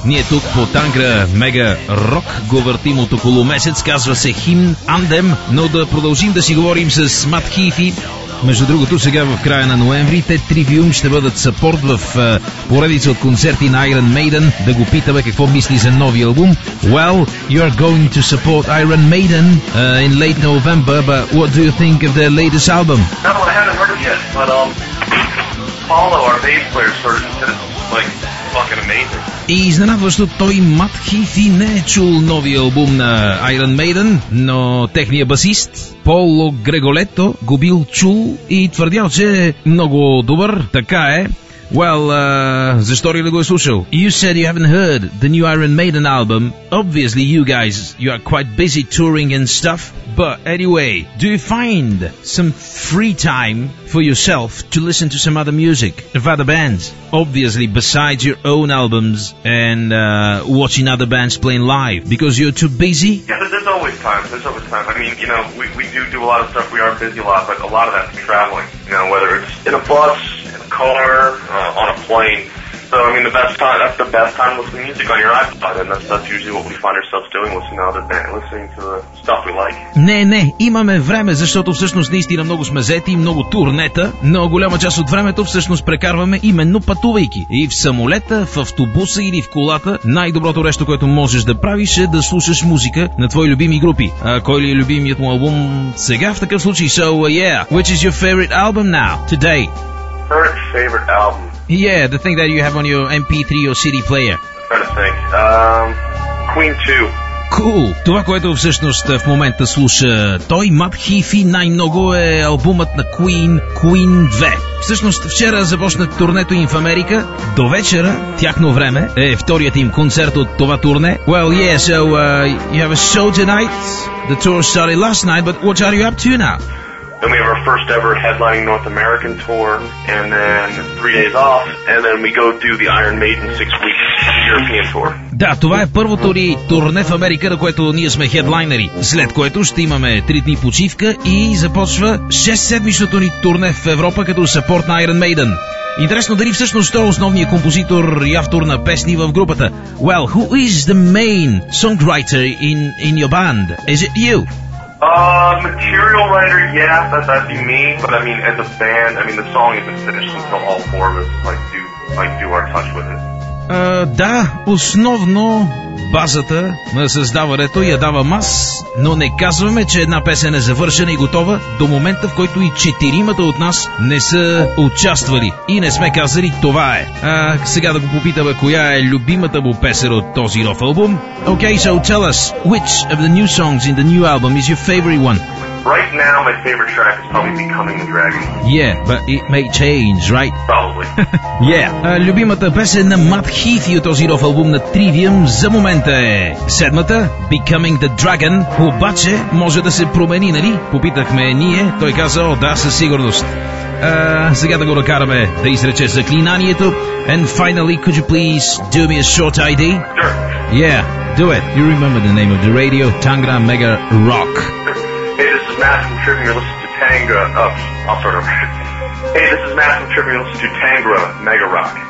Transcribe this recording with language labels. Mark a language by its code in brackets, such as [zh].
[bg] Ние тук по Тангра Мега Рок го въртим от около месец, казва се Химн Андем, но да продължим да си говорим с Мат Хифи. Между другото, сега в края на ноември, те Trivium ще бъдат сапорт в поредица от концерти на Iron Maiden. Да го питаме какво мисли за новия албум. [en] Well, you are going to support Iron Maiden in late November, but what do you think of their latest album? No, I haven't heard it yet, but Paulo, our bass player, started to fucking amazing. [bg] И изненадващо той, Мат Хифи, не е чул новия албум на Iron Maiden, но техният басист, Поло Греголето, го бил чул и твърдял, че е много добър, така е. Well, защо ли да го е слушал? [en] You said you haven't heard the new Iron Maiden album. Obviously, you guys, you are quite busy touring and stuff. But anyway, do you find some free time for yourself to listen to some other music of other bands? Obviously, besides your own albums and watching other bands playing live because you're too busy? Yeah, there's always time. I mean, we do a lot of stuff. We are busy a lot, but a lot of that's traveling. You know, whether it's in a bus, car, on a plane, So, I mean, the best time, that's the best time to listen to music on your iPod, and that's usually what we find ourselves doing, listening to other bands, listening to the stuff we like. [bg] Не, не, имаме време, защото всъщност наистина много сме заети, много турнета, но голяма част от времето всъщност прекарваме именно пътувайки. И в самолета, в автобуса или в колата, най-доброто нещо, което можеш да правиш, е да слушаш музика на твои любими групи. А кой ли е любимият му албум сега в такъв случай? [en] So, yeah, which is your favorite album now, today? Current favorite album? Yeah, the thing that you have on your MP3 or CD player. I'm trying to think. Queen 2. Cool. [bg] Това, което всъщност в момента слуша той, Мат Хифи, най-много е албумът на Queen, Queen 2. Всъщност, вчера започна турнето им в Америка. До вечера, тяхно време, е вторият им концерт от това турне. [en] Well, yeah, so you have a show tonight. The tour started last night, but what are you up to now? Then we have our first ever headlining North American tour, and then 3 days off, and then we go do the Iron Maiden 6 week European tour. [bg] Да, това е първото ни турне в Америка, на което ние сме хедлайнери. След което ще имаме 3 дни почивка и започва 6-седмичното ни турне в Европа като сапорт на Iron Maiden. Интересно дали всъщност той е основният композитор и автор на песни в групата. [en] Well, who is the main songwriter in your band? Is it you? Material writer, yeah, that'd be me, but I mean, as a band, I mean, the song isn't finished until all four of us, do our touch with it. [bg] Да, основно базата на създаването я давам аз, но не казваме, че една песен е завършена и готова до момента, в който и четиримата от нас не са участвали и не сме казали това е. Сега да го попитаме коя е любимата му песен от този нов албум. [en] Okay, so tell us, which of the new songs in the new album is your favorite one? Right now, my favorite track is probably Becoming the Dragon. Yeah, but it may change, right? Probably. Yeah. [bg] Любимата песен на Мат Хифи от този нов албум на Trivium за момента е седмата, Becoming the Dragon. Обаче, може да се промени, нали? Попитахме ние, той каза, о, да, със сигурност. Сега да го накараме да изрече заклинанието. [en] And finally, could you please do me a short ID? Sure. Yeah, do it. You remember the name of the radio, Tangra Mega Rock. Hey, this is Matt from Trivium, listen to Tangra Mega Rock.